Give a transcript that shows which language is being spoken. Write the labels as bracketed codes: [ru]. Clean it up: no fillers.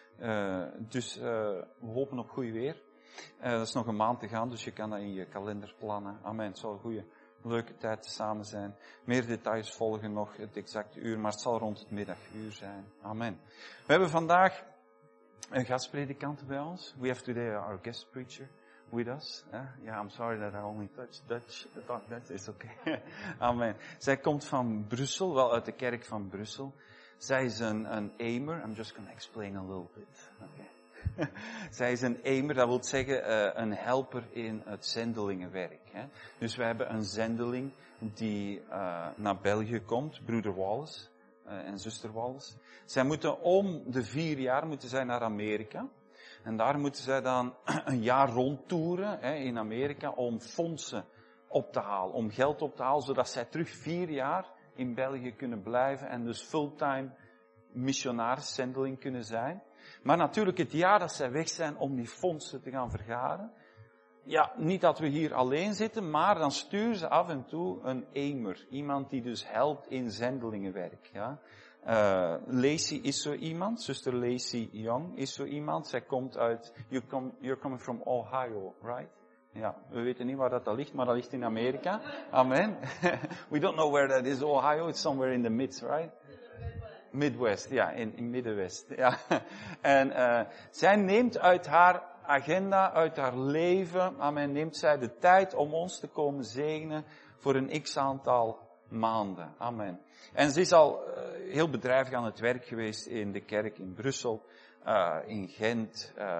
[nl] We hopen op goed weer. Dat is nog een maand te gaan, dus je kan dat in je kalender plannen. Amen. Het zal een goede, leuke tijd samen zijn. Meer details volgen nog, het exacte uur, maar het zal rond het middaguur zijn. Amen. We hebben vandaag een gastpredikant bij ons. [en] We have today our guest preacher with us. Yeah, I'm sorry that I only touch Dutch. That is okay. Amen. [nl] Zij komt van Brussel, wel uit de kerk van Brussel. Zij is een aimer. [en] I'm just going to explain a little bit. Okay. [nl] Zij is een aimer, dat wil zeggen een helper in het zendelingenwerk. Hè. Dus we hebben een zendeling die naar België komt, broeder Wallace en zuster Wallace. Zij moeten om de 4 jaar moeten zij naar Amerika. En daar moeten zij dan een jaar rondtoeren hè, in Amerika om fondsen op te halen, om geld op te halen, zodat zij terug 4 jaar in België kunnen blijven en dus fulltime missionaris zendeling kunnen zijn. Maar natuurlijk het jaar dat zij weg zijn om die fondsen te gaan vergaren. Ja, niet dat we hier alleen zitten, maar dan sturen ze af en toe een aimer. Iemand die dus helpt in zendelingenwerk. Ja. Lacey is zo iemand, zuster Lacey Young is zo iemand. Zij komt uit, [en] you're coming from Ohio, right? [nl] Ja, we weten niet waar dat ligt, maar dat ligt in Amerika. Amen. [en] We don't know where that is, Ohio, it's somewhere in the midst, right? [nl] Midwest, ja, in Middenwest, ja. En zij neemt uit haar agenda, uit haar leven, amen, neemt zij de tijd om ons te komen zegenen voor een x-aantal maanden, amen. En ze is al heel bedrijvig aan het werk geweest in de kerk in Brussel, in Gent.